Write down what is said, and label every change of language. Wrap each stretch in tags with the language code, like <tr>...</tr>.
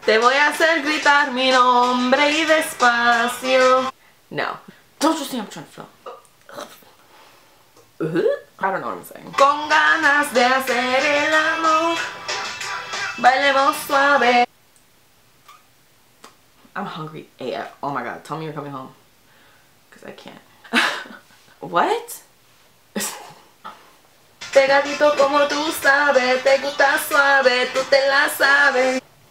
<es>Te voy a hacer gritar mi nombre y despacio. No.</es> <en>Don't you see I'm trying to film? I don't know what I'm saying.</en> <es>Con ganas de hacer el amor, bailemos suave.</es> <en>I'm hungry AF. Oh my god, tell me you're coming home. Because I can't. What?</en> <es>Pegadito como tú sabes, te gusta suave, tú te la sabes.</es>